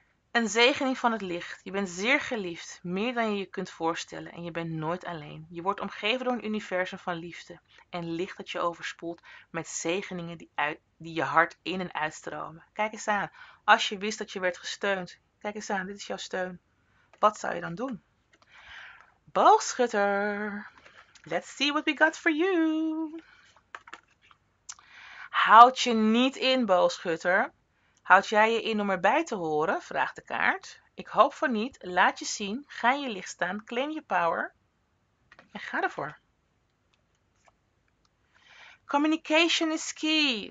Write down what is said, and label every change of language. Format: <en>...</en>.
<nl>Een zegening van het licht. Je bent zeer geliefd. Meer dan je je kunt voorstellen. En je bent nooit alleen. Je wordt omgeven door een universum van liefde. En licht dat je overspoelt met zegeningen die je hart in en uitstromen. Kijk eens aan. Als je wist dat je werd gesteund. Kijk eens aan. Dit is jouw steun. Wat zou je dan doen? Boogschutter.</nl> <en>Let's see what we got for you.</en> <nl>Houd je niet in, boogschutter. Houd jij je in om erbij te horen? Vraagt de kaart. Ik hoop van niet. Laat je zien. Ga in je licht staan. Claim je power. En ga ervoor.</nl> <en>Communication is key.</en>